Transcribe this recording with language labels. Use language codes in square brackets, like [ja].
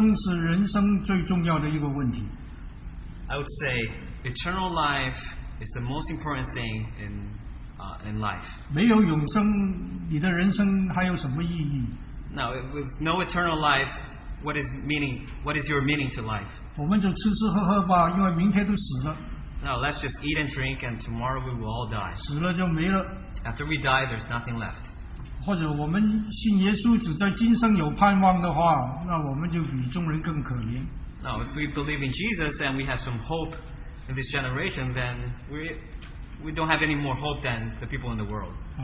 [zh] 我说，永生是人生最重要的一个问题。 [en] I would say eternal life is the most important thing in life. [zh] 没有永生，你的人生还有什么意义？ [en] Now, with no eternal life, what is meaning? What is your meaning to life? [zh] 我们就吃吃喝喝吧，因为明天都死了。 [en] Now let's just eat and drink, and tomorrow we will all die. [zh] 死了就没了。 [en] After we die, there's nothing left. [zh] 或者我们信耶稣只在今生有盼望的话，那我们就比众人更可怜。 [en] Now if we believe in Jesus and we have some hope in this generation, then we don't have any more hope than the people in the world.